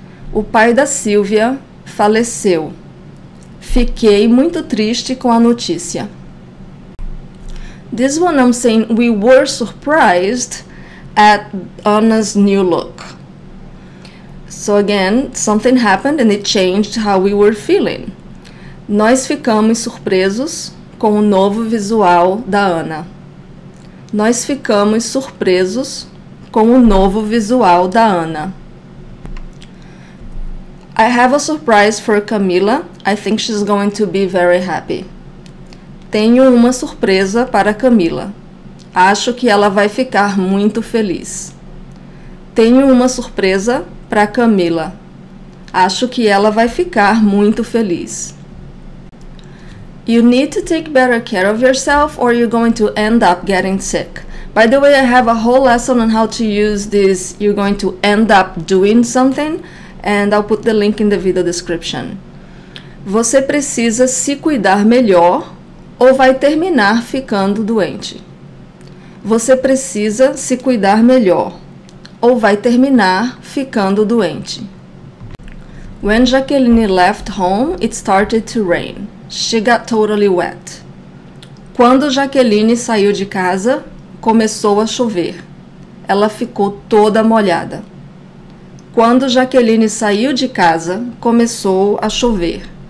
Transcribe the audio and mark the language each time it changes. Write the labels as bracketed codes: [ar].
[pt] O pai da Silvia faleceu. Fiquei muito triste com a notícia. [en] This one I'm saying, we were surprised at Anna's new look. So again, something happened and it changed how we were feeling. [pt] Nós ficamos surpresos com o novo visual da Anna. Nós ficamos surpresos com o novo visual da Anna. [en] I have a surprise for Camila. I think she's going to be very happy. [pt] Tenho uma surpresa para Camila. Acho que ela vai ficar muito feliz. Tenho uma surpresa para Camila. Acho que ela vai ficar muito feliz. [en] You need to take better care of yourself or you're going to end up getting sick. By the way, I have a whole lesson on how to use this you're going to end up doing something and I'll put the link in the video description. [pt] Você precisa se cuidar melhor ou vai terminar ficando doente. Você precisa se cuidar melhor ou vai terminar ficando doente. [en] When Jacqueline left home, it started to rain. She got totally wet. [pt] Quando Jacqueline saiu de casa, começou a chover. Ela ficou toda molhada. Quando Jacqueline saiu de casa, começou a chover.